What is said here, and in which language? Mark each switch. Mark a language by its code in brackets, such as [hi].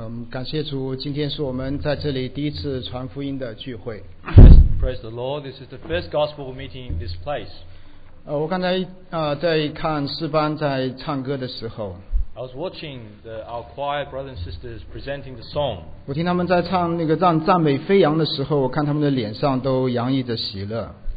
[zh] 感谢主，今天是我们在这里第一次传福音的聚会。 [en] Praise the Lord, this is the first gospel meeting in this place. [zh] 我刚才在看诗班在唱歌的时候。 [en] I was watching our choir brothers and sisters presenting the song. [zh] 我听他们在唱那个让赞美飞扬的时候，我看他们的脸上都洋溢着喜乐。